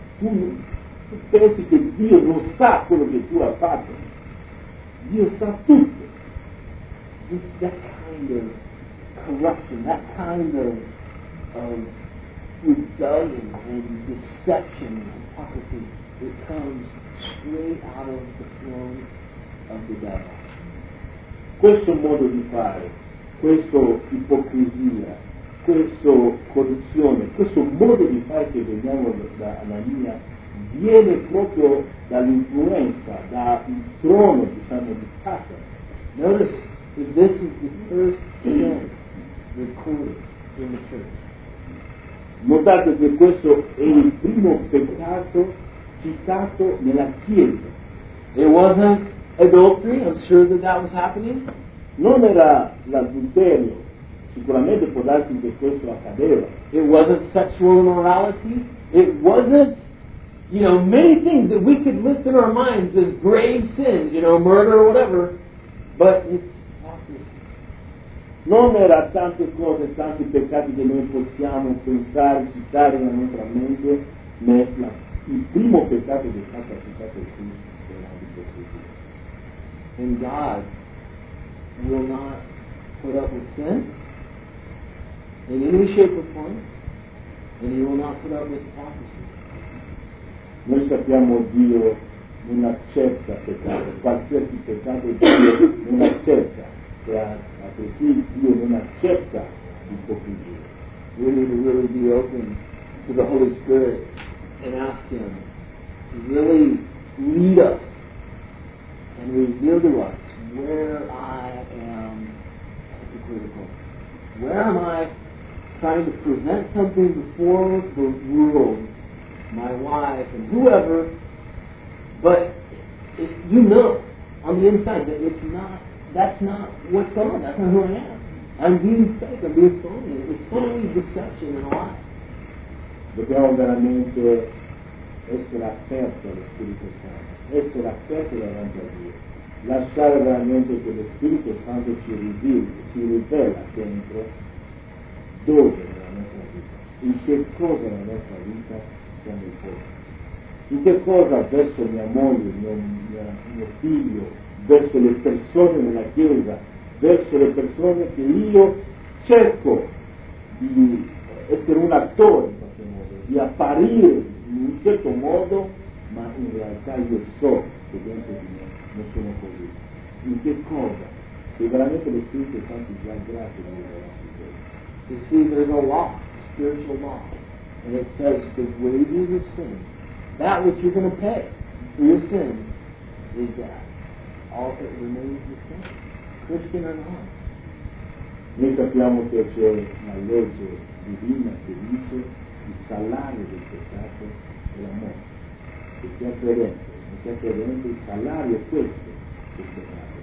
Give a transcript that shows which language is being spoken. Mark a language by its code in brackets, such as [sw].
[it] Tu pensi che Dio non sa quello che tu hai fatto? Dio sa tutto. [en] It's that kind of corruption, that kind of rebellion and deception and hypocrisy that comes straight out of the throne of the devil. [it] Questo modo di fare, questa ipocrisia, questa corruzione, questo modo di fare che vediamo da Anania viene proprio dall'influenza, dal trono di San Matteo. [en] Notice that this is the first sin recorded in the church. [it] Notate che questo è il primo peccato citato nella Chiesa. [en] It wasn't adultery, I'm sure that was happening. [it] Non era l'adulterio. Sicuramente può darsi che questo accadeva. [en] It wasn't sexual immorality. It wasn't, you know, many things that we could list in our minds as grave sins, you know, murder or whatever, but it's hypocrisy. [it] Non era tante cose, tanti peccati che noi possiamo pensare, citare nella nostra mente, ma il primo peccato che è stato citato è qui, è la ipocrisia. [en] And God will not put up with sin in any shape or form, and he will not put up with hypocrisy. [it] Noi sappiamo Dio non accetta peccato, qualsiasi peccato Dio non accetta, ma perché Dio non accetta ipocrisia. [en] We need to really be open to the Holy Spirit and ask him to really lead us and reveal to us where I am hypocritical. Where am I trying to present something before the world, my wife and whoever, but if you know on the inside that it's not, that's not what's going on, that's not who I am. I'm being fake, I'm being phony. It's only deception and a lie. [it] Dobbiamo veramente essere aperto allo Spirito Santo, essere aperto davanti a Dio, lasciare veramente che lo Spirito Santo ci rivela, si rivela dentro. Dove nella nostra vita, in che cosa nella nostra vita siamo fuori, in che cosa verso mia moglie, mio figlio, verso le persone nella chiesa, verso le persone che io cerco di essere un attore in qualche modo, di apparire in un certo modo, ma in realtà io so che dentro di me non sono così, in che cosa, che veramente lo Spirito Santo già grazie di me. [en] You see, there's a law, a spiritual law, and it says the wages of sin, that which you're going to pay for your sin, is that. All that remains the same, Christian or not. [it] Noi sappiamo che c'è una legge divina che dice il salario del peccato è la morte. Che sia credente, non sia credente, il salario è questo del peccato.